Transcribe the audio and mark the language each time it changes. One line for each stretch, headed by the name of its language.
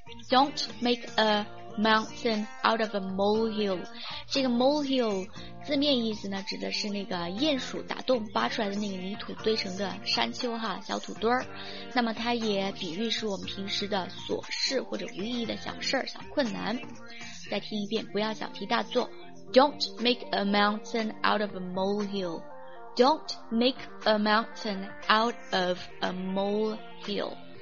English: Don't make a mountain out of a molehill.
Chinese: 这个 molehill字面意思呢，指的是那个鼹鼠打洞扒出来的那个泥土堆成的山丘哈，小土堆儿。那么它也比喻是我们平时的琐事或者无意义的小事儿、小困难。再听一遍，不要小题大做。
English: Don't make a mountain out of a molehill. Don't make a mountain out of a molehill.